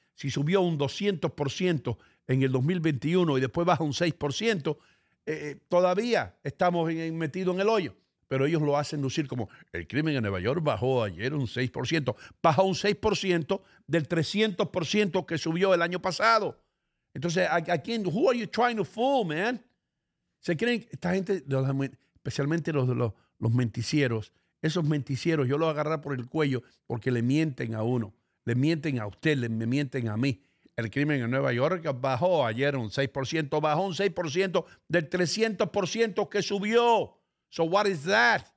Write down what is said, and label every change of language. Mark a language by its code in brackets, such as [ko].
[es] Si subió un 200% en el 2021 y después baja un 6%, todavía estamos metidos en el hoyo. Pero ellos lo hacen lucir como el crimen en Nueva York bajó ayer un 6%. Baja un 6% del 300% que subió el año pasado. [en] Entonces, who are you trying to fool, man? [es] ¿Se creen? Esta gente, especialmente los menticieros, esos menticieros, yo los agarré por el cuello porque le mienten a uno, le mienten a usted, me mienten a mí. El crimen en Nueva York bajó ayer un 6%, bajó un 6% del 300% que subió. [en] So what is that?